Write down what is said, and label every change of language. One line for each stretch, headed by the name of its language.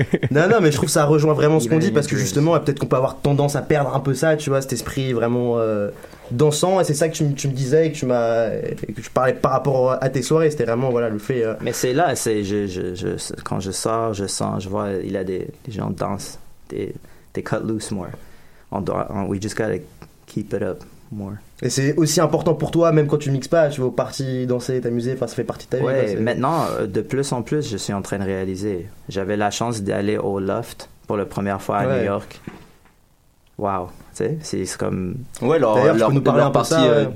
French: Non, mais je trouve que ça rejoint vraiment ce qu'on dit parce que justement, peut-être qu'on peut avoir tendance à perdre un peu ça, tu vois, cet esprit vraiment. Dansant, et c'est ça que tu me disais et que tu parlais par rapport à tes soirées, c'était vraiment voilà le fait. Mais c'est là, quand je sors, je sens, je vois, il y a des gens dansent,
English: they cut loose more. We just gotta keep it up more.
French: Et c'est aussi important pour toi, même quand tu mixes pas, tu vas au party danser, t'amuser, ça fait partie de ta vie. Ouais, maintenant, de plus en plus, je suis en train de réaliser. J'avais la chance d'aller au Loft pour la première fois à New York. Wow, tu sais, c'est comme. Ouais, alors, d'ailleurs, tu peux nous parler un peu de